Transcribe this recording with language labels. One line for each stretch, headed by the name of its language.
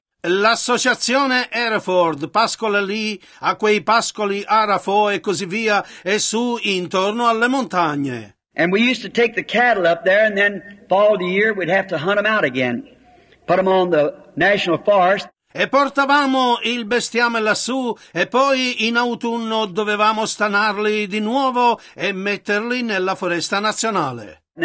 Italian: L'associazione Hereford pascola lì a quei pascoli Arafo e così via e su intorno alle montagne.
English: And we used to take the cattle up there and then fall of the year we'd have to hunt them out again, put them on the national forest.
Italian: E portavamo il bestiame lassù e poi in autunno dovevamo stanarli di nuovo e metterli nella foresta nazionale.